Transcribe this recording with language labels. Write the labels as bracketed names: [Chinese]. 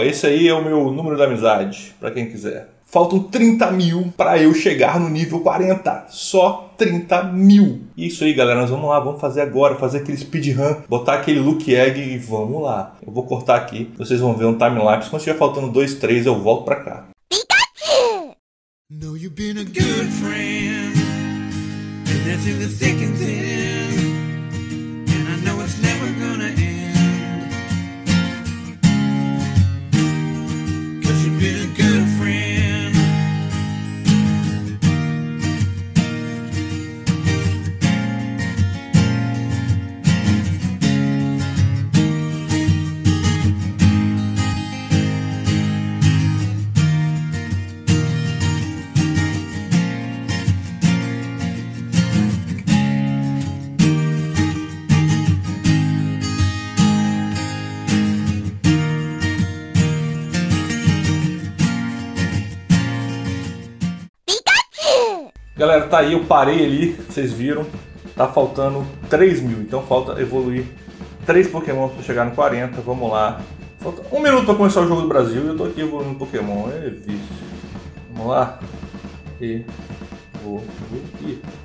[Portuguese] Esse aí é o meu número da amizade, pra quem quiser. Faltam 30 mil pra eu chegar no nível 40. Só 30 mil. Isso aí, galera. Nós vamos lá. Vamos fazer agora. Fazer aquele speedrun. Botar aquele look egg e vamos lá. Eu vou cortar aqui. Vocês vão ver um timelapse. Quando estiver faltando 2, 3, eu volto pra cá. [English] Know you've been a good friend, and that's in the thick and thin, and I know it's never gonna end. 'Cause you've been a good friend, [Portuguese] galera. Tá aí, eu parei ali, vocês viram, tá faltando 3 mil, então falta evoluir 3 Pokémon pra chegar no 40, vamos lá. Falta 1 minuto pra começar o jogo do Brasil e eu tô aqui evoluindo Pokémon, é vício. Vamos lá, evoluir.